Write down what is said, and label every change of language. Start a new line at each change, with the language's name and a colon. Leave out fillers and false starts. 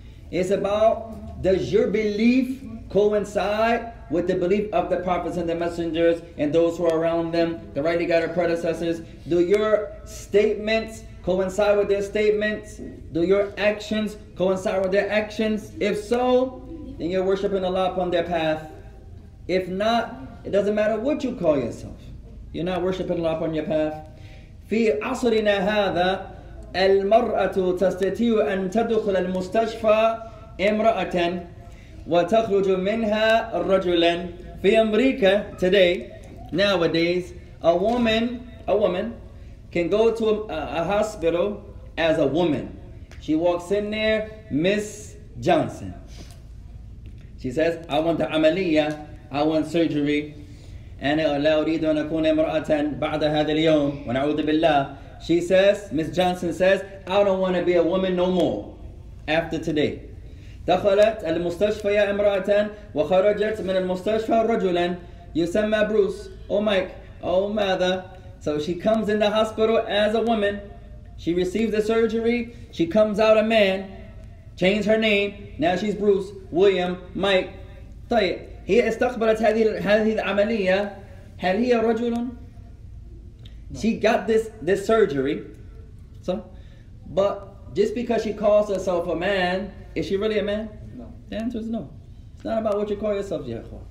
English: It's about, does your belief coincide with the belief of the prophets and the messengers and those who are around them, the rightly guided predecessors? Do your statements coincide with their statements? Do your actions coincide with their actions? If so, then you're worshiping Allah upon their path. If not, it doesn't matter what you call yourself. You're not worshiping Allah upon your path.
Arabic: في عصرنا هذا المرأة تستطيع أن تدخل المستشفى امرأة وتخرج منها رجلا. في أمريكا
English: today, nowadays, a woman can go to a hospital as a woman. She walks in there, Miss Johnson. She says, I want the عملية, I want surgery.
Arabic: أنا لا أريد أن أكون امرأة بعد هذا اليوم ونعوذ بالله.
English: She says, Miss Johnson says, I don't want to be a woman no more after today.
Arabic: دخلت المستشفى يا امرأة وخرجت من المستشفى رجلا يسمى بروس أو مايك أو ماذا.
English: So she comes in the hospital as a woman. She receives the surgery. She comes out a man. Changed her name. Now she's Bruce, William, Mike. طيب.
Arabic: هي استقبلت هذه العملية هل هي رجل؟
English: She got this surgery. So, but just because she calls herself a man, is she really a man? No. The answer is no. It's not about what you call yourself, Yahweh.